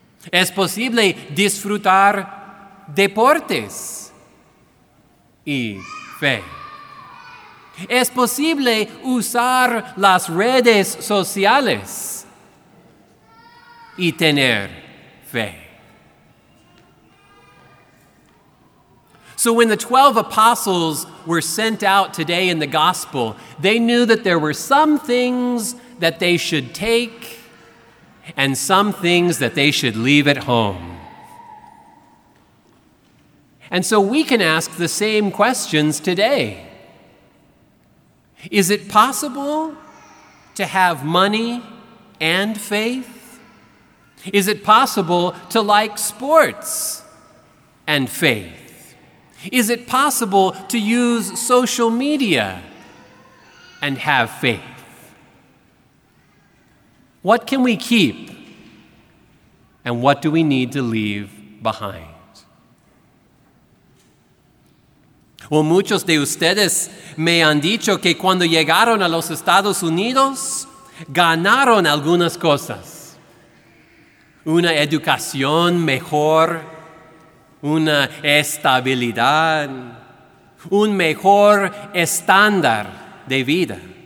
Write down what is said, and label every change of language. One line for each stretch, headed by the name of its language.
Spanish: ¿Es posible disfrutar deportes y fe? ¿Es posible usar las redes sociales y tener fe?
English: So when the 12 apostles were sent out today in the gospel, they knew that there were some things that they should take and some things that they should leave at home. And so we can ask the same questions today. Is it possible to have money and faith? Is it possible to like sports and faith? Is it possible to use social media and have faith? What can we keep and what do we need to leave behind?
Spanish: O muchos de ustedes me han dicho que cuando llegaron a los Estados Unidos, ganaron algunas cosas. Una educación mejor, una estabilidad, un mejor estándar de vida.